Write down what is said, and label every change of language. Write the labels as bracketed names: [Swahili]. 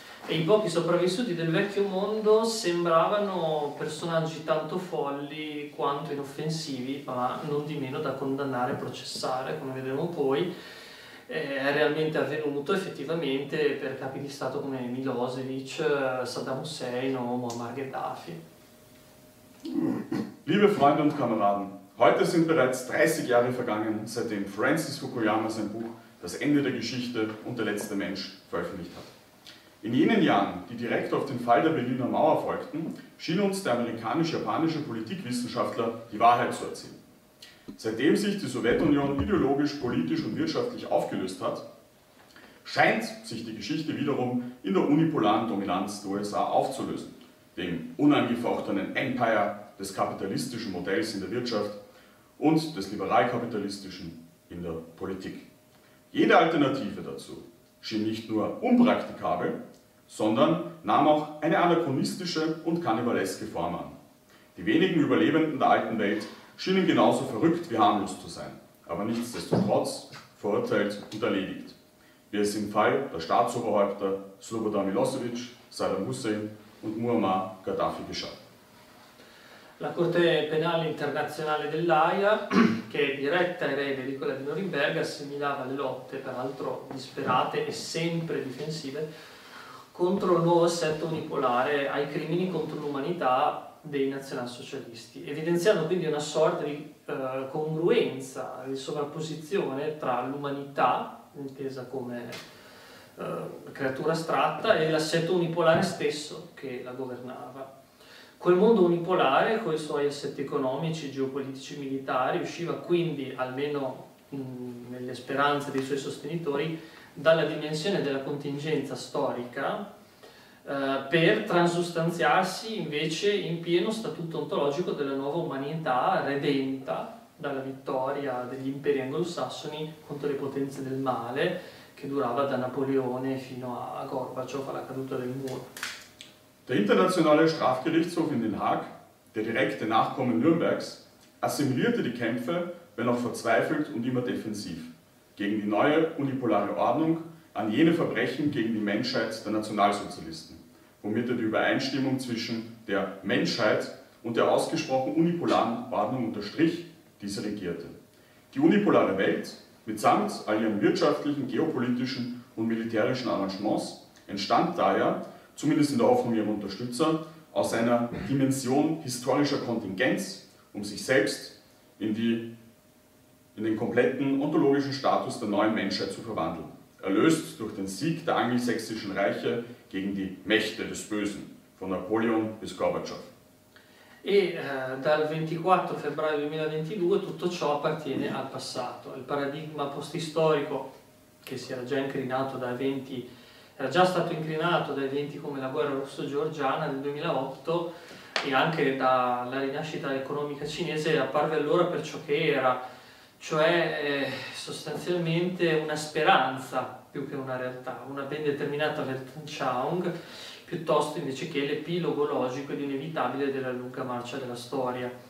[Italian] E i pochi sopravvissuti del vecchio mondo sembravano personaggi tanto folli quanto inoffensivi, ma non di meno da condannare e processare, come vedremo poi. È realmente avvenuto effettivamente per capi di Stato come Milosevic, Saddam Hussein o Muammar Gheddafi. [German] Liebe Freunde und Kameraden, heute sind bereits 30 Jahre vergangen, seitdem Francis Fukuyama sein Buch Das Ende der Geschichte und der letzte Mensch veröffentlicht hat. In jenen Jahren, die direkt auf den Fall der Berliner Mauer folgten, schien uns der amerikanisch-japanische Politikwissenschaftler die Wahrheit zu erzählen. Seitdem sich die Sowjetunion ideologisch, politisch und wirtschaftlich aufgelöst hat, scheint sich die Geschichte wiederum in der unipolaren Dominanz der USA aufzulösen, dem unangefochtenen Empire des kapitalistischen Modells in der Wirtschaft und des liberalkapitalistischen in der Politik. Jede Alternative dazu schien nicht nur unpraktikabel, sondern nahm auch eine anachronistische und kannibaleske Form an. Die wenigen Überlebenden der alten Welt schienen genauso verrückt wie harmlos zu sein, aber nichtsdestotrotz verurteilt und erledigt. Wie es im Fall der Staatsoberhäupter Slobodan Milosevic, Saddam Hussein und Muammar Gaddafi geschah. [Italian] La Corte Penale Internazionale dell'Aia, che è diretta erede di quella di Norimberga, assimilava le lotte, peraltro disperate e sempre difensive, contro il nuovo assetto unipolare ai crimini contro l'umanità dei nazionalsocialisti, evidenziando quindi una sorta di congruenza, di sovrapposizione tra l'umanità, intesa come creatura astratta, e l'assetto unipolare stesso che la governava. Quel mondo unipolare, con i suoi assetti economici, geopolitici e militari, usciva quindi, almeno nelle speranze dei suoi sostenitori, dalla dimensione della contingenza storica per transustanziarsi invece in pieno statuto ontologico della nuova umanità redenta dalla vittoria degli imperi anglosassoni contro le potenze del male che durava da Napoleone fino a Gorbaciov alla caduta del muro. [German] Der internationale Strafgerichtshof in Den Haag, der direkte Nachkomme Nürnbergs, assimilierte die Kämpfe, wenn auch verzweifelt und immer defensiv, gegen die neue unipolare Ordnung an jene Verbrechen gegen die Menschheit der Nationalsozialisten, womit er die Übereinstimmung zwischen der Menschheit und der ausgesprochen unipolaren Ordnung unterstrich, diese regierte. Die unipolare Welt, mitsamt all ihren wirtschaftlichen, geopolitischen und militärischen Arrangements, entstand daher, zumindest in der Hoffnung ihrer Unterstützer, aus einer Dimension historischer Kontingenz, um sich selbst in den kompletten ontologischen Status der neuen Menschheit zu verwandeln, erlöst durch den Sieg der angelsächsischen Reiche gegen die Mächte des Bösen, von Napoleon bis Gorbatschow. [Italian] E dal 24 febbraio 2022 tutto ciò appartiene al passato. Il paradigma post-istorico, che si era già incrinato da eventi, era già stato incrinato da eventi come la guerra russo-georgiana nel 2008 e anche dalla rinascita economica cinese, apparve allora per ciò che era, cioè sostanzialmente una speranza più che una realtà, una ben determinata Weltanschauung, piuttosto invece che l'epilogo logico ed inevitabile della lunga marcia della storia.